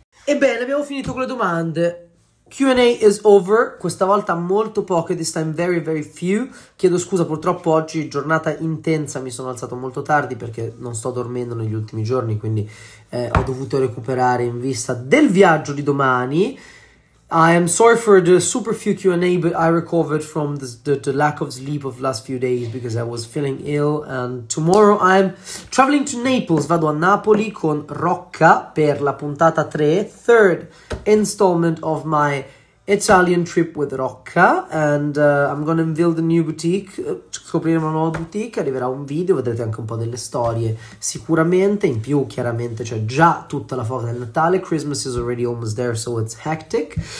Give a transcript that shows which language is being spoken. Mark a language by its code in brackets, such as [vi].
[it] Ebbene, abbiamo finito con le domande. [en] Q&A is over, [it] questa volta molto poche, [en] this time very very few. [it] Chiedo scusa, purtroppo oggi giornata intensa, mi sono alzato molto tardi perché non sto dormendo negli ultimi giorni, quindi ho dovuto recuperare in vista del viaggio di domani. [en] I am sorry for the super few Q&A, but I recovered from the lack of sleep of last few days because I was feeling ill. And tomorrow I'm traveling to Naples. [it] Vado a Napoli con Rocca per la puntata 3, [en] third installment of my Italian trip with Rocca. And I'm gonna unveil the new boutique. [it] Scoprire una nuova boutique. Arriverà un video, vedrete anche un po' delle storie. Sicuramente, in più, chiaramente c'è già tutta la foto del Natale. [en] Christmas is already almost there, so it's hectic.